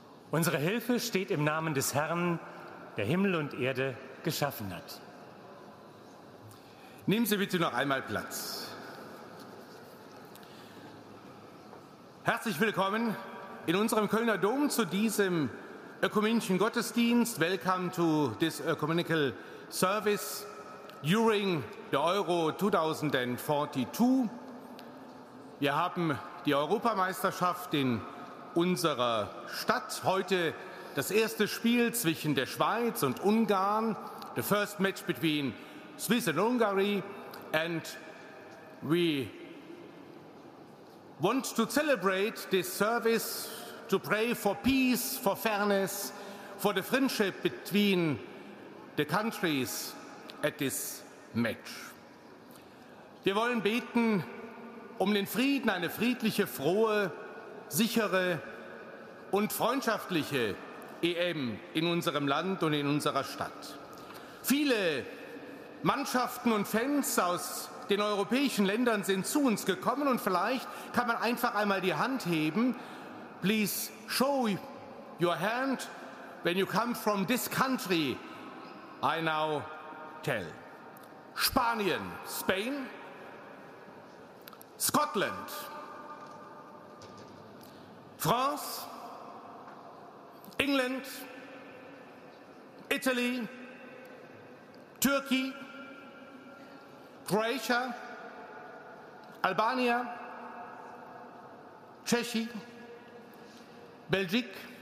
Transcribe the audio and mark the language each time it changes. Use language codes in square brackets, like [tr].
[de] Unsere Hilfe steht im Namen des Herrn, der Himmel und Erde geschaffen hat. Nehmen Sie bitte noch einmal Platz. Herzlich willkommen in unserem Kölner Dom zu diesem ökumenischen Gottesdienst. [en] Welcome to this ecumenical service during the Euro 2042. [de] Wir haben die Europameisterschaft in unserer Stadt. Heute das erste Spiel zwischen der Schweiz und Ungarn. [en] The first match between Swiss and Hungary. And we want to celebrate this service to pray for peace, for fairness, for the friendship between the countries at this match. [de] Wir wollen beten um den Frieden, eine friedliche, frohe, sichere und freundschaftliche EM in unserem Land und in unserer Stadt. Viele Mannschaften und Fans aus den europäischen Ländern sind zu uns gekommen und vielleicht kann man einfach einmal die Hand heben. [en] Please show your hand when you come from this country. I now tell. Spanien, Spain, Scotland, France, England, Italy, Turkey, Croatia, Albania, Tschechien, Belgique,